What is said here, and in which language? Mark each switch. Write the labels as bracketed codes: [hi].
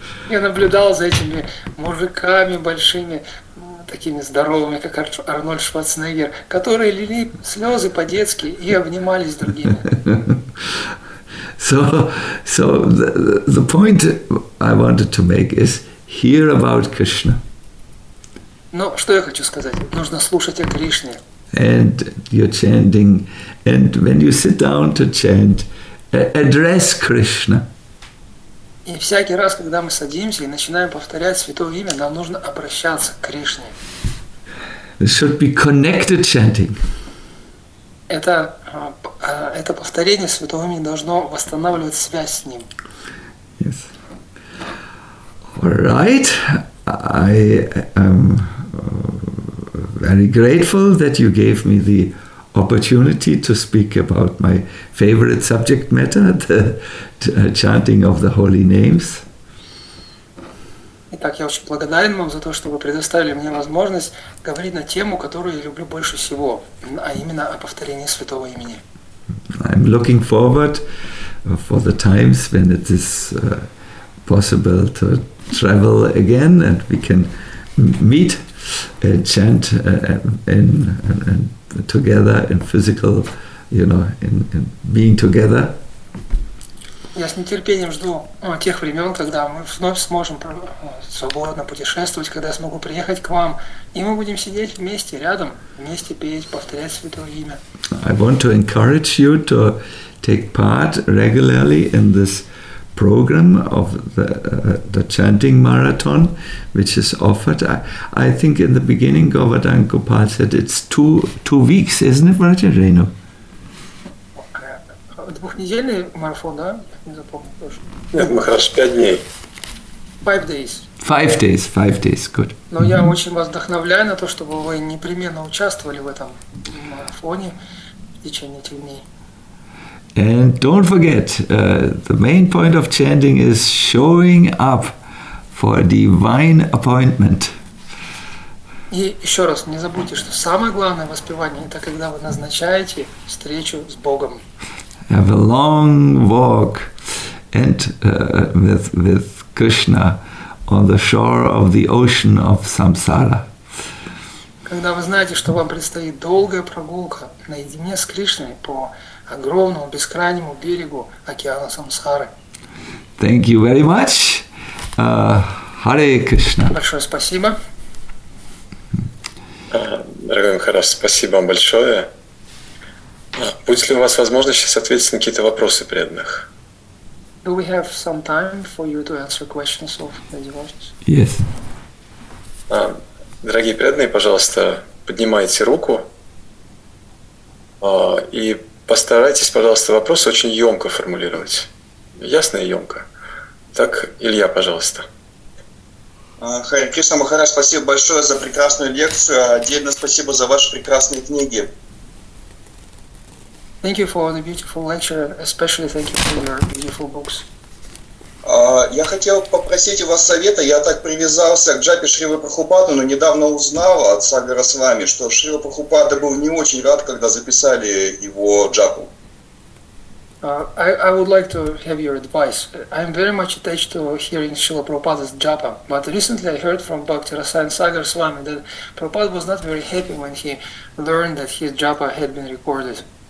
[ru] Я наблюдал за этими мужиками большими, такими здоровыми, как Арнольд Шварценеггер, которые лили слезы по-детски и обнимались другими. [en] So the point I wanted to make is hear about Krishna. [ru] Но что я хочу сказать? Нужно слушать о Кришне. [en] And you're chanting, and when you sit down to chant, address Krishna. [ru] И всякий раз, когда мы садимся и начинаем повторять святое имя, нам нужно обращаться к Кришне. [en] It should be connected chanting. [ru] Это повторение святого имени должно восстанавливать связь с ним. [en] Yes. All right. I am very grateful that you gave me the opportunity to speak about my favorite subject matter, the chanting of the holy names. [ru] Итак, я очень благодарен вам за то, что вы предоставили мне возможность говорить на тему, которую я люблю больше всего, а именно о повторении святого имени. [en] I'm looking forward for the times when it is possible to travel again and we can meet and chant and together in physical, you know, in being together. [ru] Я с нетерпением жду тех времен, когда мы вновь сможем свободно путешествовать, когда я смогу приехать к вам, и мы будем сидеть вместе, рядом, вместе петь, повторять святое имя. [en] I want to encourage you to take part regularly in this program of the chanting marathon, which is offered. I think in the beginning, Govardhan Gopal said it's two weeks, isn't it, Vrajan Renu? [ru] Двухнедельный марафон, да? Не запомнил тоже. Нет, Махараш, 5 дней. [en] 5 days. Five days, good. [ru] Но mm-hmm. Я очень вас вдохновляю на то, чтобы вы непременно участвовали в этом марафоне в течение этих дней. [en] And don't forget, the main point of chanting is showing up for a divine appointment. [ru] И еще раз, не забудьте, что самое главное воспевание – это когда вы назначаете встречу с Богом. [en] Have a long walk and with Krishna on the shore of the ocean of samsara. [ru] Когда вы знаете, что вам предстоит долгая прогулка наедине с Кришной по огромному бескрайнему берегу океана самсары. [en] Thank you very much. Hare Krishna. [ru] Большое спасибо. Дорогой Махарадж, спасибо вам большое. Будет ли у вас возможность сейчас ответить на какие-то вопросы преданных? [en] Do we have some time for you to answer questions of the devotees? Yes. [ru] Дорогие преданные, пожалуйста, поднимайте руку и Постарайтесь, пожалуйста, вопрос очень емко формулировать. Ясно и емко. Так, Илья, пожалуйста. Хари Кришна Махарадж, спасибо большое за прекрасную лекцию. Отдельно спасибо за ваши прекрасные книги. [en] Thank you for the beautiful lecture, especially thank you for your beautiful books. [ru] Я хотел попросить у вас совета. Я так привязался к джапе Шрилы Прабхупады, но недавно узнал от Сагара с вами, что Шрила Прабхупада был не очень рад, когда записали его джапу. [en] I would like to have your advice. I'm very much attached to hearing Srila Prabhupada's japa, but recently I heard from Bhakti Rasayan Sagar Swami that Prabhupada was not very happy when he learned that his japa had been recorded.